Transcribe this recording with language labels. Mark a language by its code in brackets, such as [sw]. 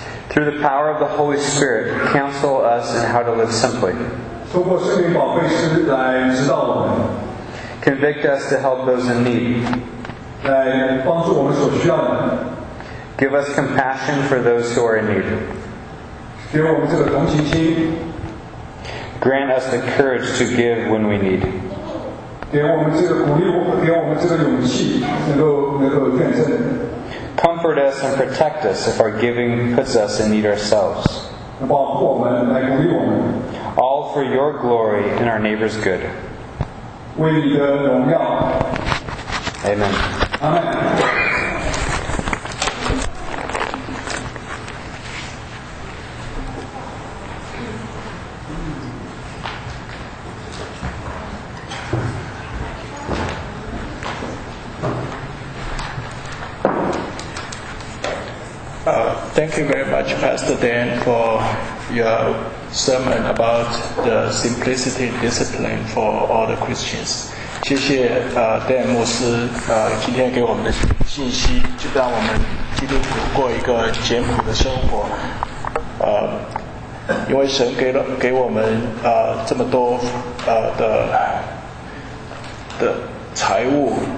[en] Through the power of the Holy Spirit, counsel us in how to live simply. [zh] 通过圣灵宝贵师来指导我们。 [en] Convict us to help those in need. [zh] 来帮助我们所需要的。 [en] Give us compassion for those who are in need. [zh] 给我们这个同情心。 [en] Grant us the courage to give when we need. [zh] 给我们这个鼓励，给我们这个勇气，能够捐赠。 [en] Comfort us and protect us if our giving puts us in need ourselves. [zh] 保护我们，来鼓励我们。 [en] All for your glory and our neighbor's good. [zh] 为你的荣耀。 [en] Amen. Amen. Thank you very much, Pastor Dan, for your sermon about the simplicity and discipline for all the Christians. [zh] 谢谢Dan牧师今天给我们的信息，就让我们基督徒过一个简朴的生活。因为神给我们这么多的财物，